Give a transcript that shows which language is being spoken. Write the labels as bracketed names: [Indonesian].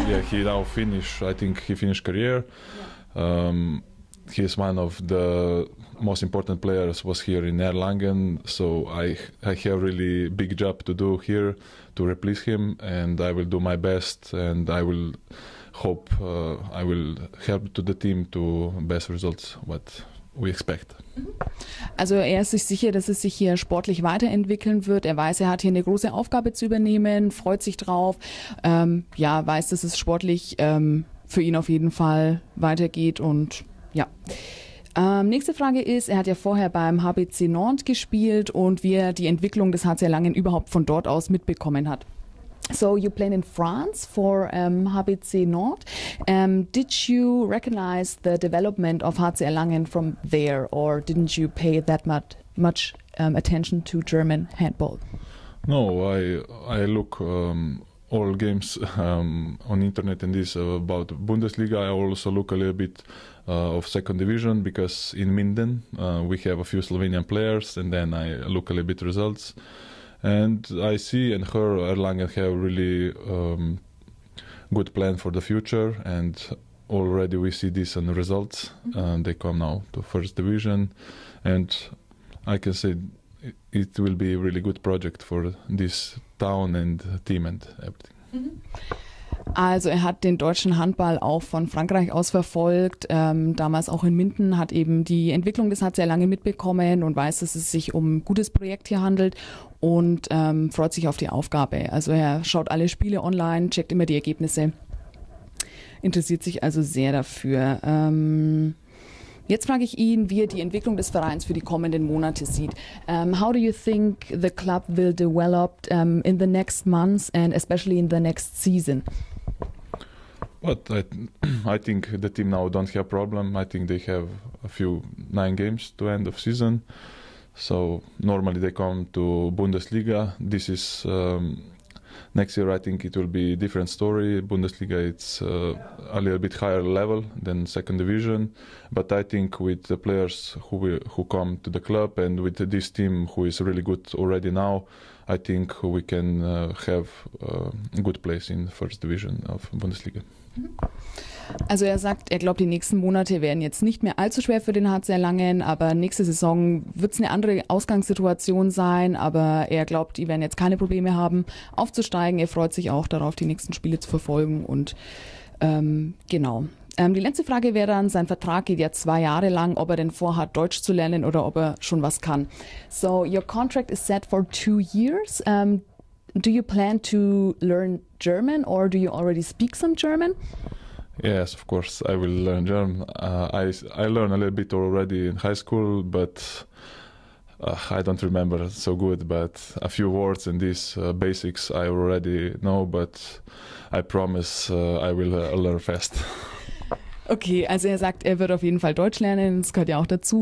[English] He now finished. I think he finished career. He is one of the most important players was here in Erlangen. So I have really big job to do here to replace him, and I will do my best, and I will hope I will help to the team to best results. What we expect. [German] Also er ist sich sicher, dass es sich hier sportlich weiterentwickeln wird. Er weiß, er hat hier eine große Aufgabe zu übernehmen, freut sich drauf, ja, weiß, dass es sportlich für ihn auf jeden Fall weitergeht und ja. Nächste Frage ist, er hat ja vorher beim HBC Nantes gespielt und wie er die Entwicklung des HC Erlangen überhaupt von dort aus mitbekommen hat. [English] So you played in France for HBC Nord. Did you recognize the development of HC Erlangen from there, or didn't you pay that much attention to German handball? No, I look all games on internet and this about Bundesliga. I also look a little bit of second division because in Minden we have a few Slovenian players, and then I look a little bit results. And I see and her Erlangen have really good plan for the future, and already we see this in the results. They come now to first division, and I can say it will be a really good project for this town and team and everything. [German] Also er hat den deutschen Handball auch von Frankreich aus verfolgt, damals auch in Minden, hat eben die Entwicklung des hat sehr lange mitbekommen und weiß, dass es sich um ein gutes Projekt hier handelt und freut sich auf die Aufgabe. Also er schaut alle Spiele online, checkt immer die Ergebnisse, interessiert sich also sehr dafür. Jetzt frage ich ihn, wie er die Entwicklung des Vereins für die kommenden Monate sieht. [English] How do you think the club will develop in the next months and especially in the next season? But I think the team now don't have problem. I think they have a few 9 games to end of season. So normally they come to Bundesliga. This is next year. I think it will be a different story. Bundesliga it's a little bit higher level than second division. But I think with the players who come to the club and with this team who is really good already now, I think we can have a good place in first division of Bundesliga. [German] Also er sagt, er glaubt, die nächsten Monate werden jetzt nicht mehr allzu schwer für den HC Erlangen, aber nächste Saison wird es eine andere Ausgangssituation sein, aber er glaubt, die werden jetzt keine Probleme haben, aufzusteigen. Er freut sich auch darauf, die nächsten Spiele zu verfolgen und genau. Die letzte Frage wäre dann, sein Vertrag geht ja 2 Jahre lang, ob er denn vorhat, Deutsch zu lernen oder ob er schon was kann. [English] So, your contract is set for 2 years. Do you plan to learn German or do you already speak some German? Yes, of course, I will learn German. I learned a little bit already in high school, but I don't remember so good. But a few words and these basics I already know, but I promise I will learn fast. [German] Okay, also er sagt, er wird auf jeden Fall Deutsch lernen, das gehört ja auch dazu.